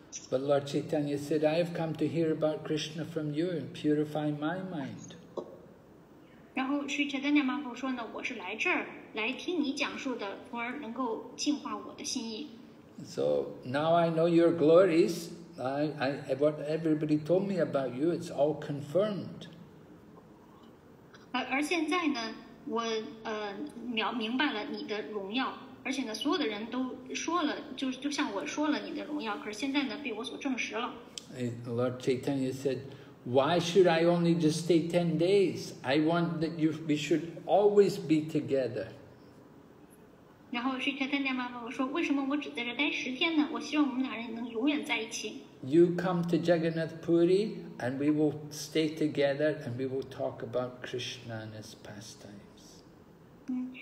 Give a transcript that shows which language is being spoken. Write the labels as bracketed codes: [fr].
[en] But Lord Chaitanya said, I have come to hear about Krishna from you and purify my mind. [zh] 然后 Sri Chaitanya Mahaprabhu 说呢，我是来这儿来听你讲述的，从而能够净化我的心意。 [en] So now I know your glories. I what everybody told me about you, it's all confirmed. [zh] 而现在呢，我明白了你的荣耀，而且呢，所有的人都说了，就像我说了你的荣耀，可是现在呢，被我所证实了。 [en] Lord Chaitanya said, "Why should I only just stay 10 days? I want that we should always be together." [zh] 然后 Sri Chaitanya 妈妈我说为什么我只在这待十天呢我希望我们两人能永远在一起 [en] You come to Jagannath Puri and we will stay together and we will talk about Krishna and his pastimes